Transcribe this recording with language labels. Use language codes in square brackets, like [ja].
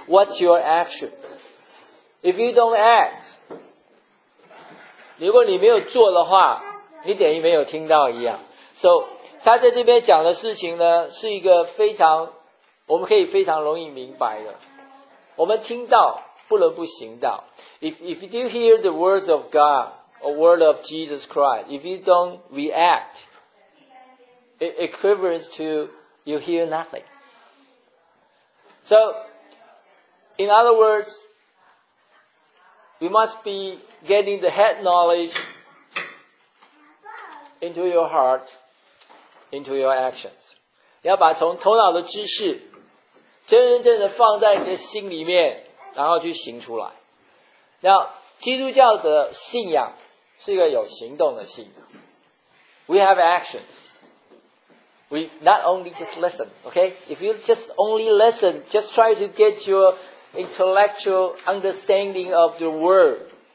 [en] What's your action? If you don't act, [zh] 如果你没有做的话，你等于没有听到一样。 So, 他在这边讲的事情呢，是一个非常，我们可以非常容易明白的。我们听到，不能不行道。 [en] If you hear the words of God, or word of Jesus Christ, if you don't react,It equivalents to you hear nothing. So, in other words, you must be getting the head knowledge into your heart, into your actions. [zh] 要把从头脑的知识真真正的放在你的心里面，然后去行出来。那基督教的信仰是一个有行动的信仰。 [en] We have actions. We not only just listen, okay? If you just only listen, just try to get your intellectual understanding of the word.